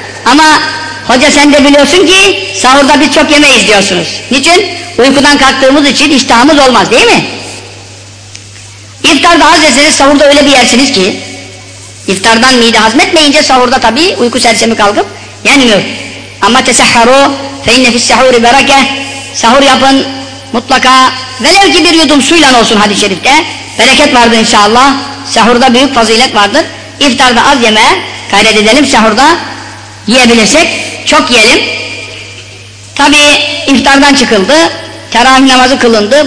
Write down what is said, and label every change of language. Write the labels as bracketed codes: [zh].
[tr] Ama hoca sen de biliyorsun ki sahurda biz çok yemeyiz diyorsunuz. Niçin? Uykudan kalktığımız için iştahımız olmaz değil mi? İftarda az yeseniz sahurda öyle bir yersiniz ki iftardan mide hazmetmeyince sahurda tabii uyku sersemi kalkıp yenmiyor. Ama [ar] tesahharu فَاِنَّ فِي السَّحُورِ بَرَكَةً. [tr] Sahur yapın mutlaka, velev ki bir yudum suyla olsun hadis-i şerifte. Bereket vardır inşallah. Sahurda büyük fazilet vardır. İftarda az yeme gayret edelim. Sahurda yiyebilirsek çok yiyelim. Tabi iftardan çıkıldı, teravih namazı kılındı.